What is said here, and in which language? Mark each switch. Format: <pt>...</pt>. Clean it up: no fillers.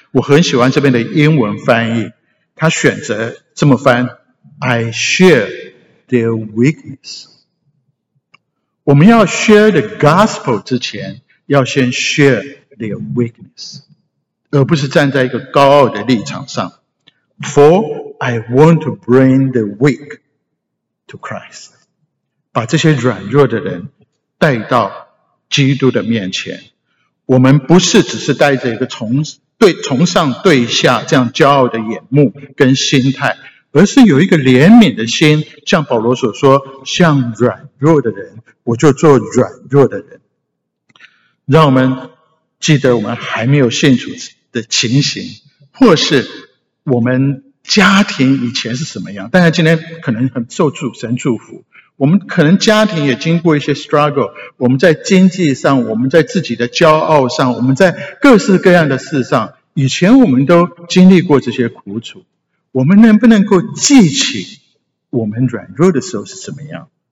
<zh>我很喜欢这边的英文翻译，他选择这么翻，</zh> <en>I share their weakness。</en> <zh>我们要</zh> <en>share the gospel</en> <zh>之前，要先</zh> <en>share their weakness，</en> <zh>而不是站在一个高傲的立场上。</zh> <en>For I want to bring the weak to Christ，</en> <zh>把这些软弱的人带到基督的面前。我们不是只是带着一个从上对下这样骄傲的眼目跟心态，而是有一个怜悯的心，像保罗所说，像软弱的人我就做软弱的人。让我们记得我们还没有信主的情形，或是我们家庭以前是什么样，但是今天可能很受主神祝福，我们可能家庭也经过一些 struggle， 我们在经济上，我们在自己的骄傲上，我们在各式各样的事上，以前我们都经历过这些苦楚，我们能不能够记起我们软弱的时候是怎么样，</zh>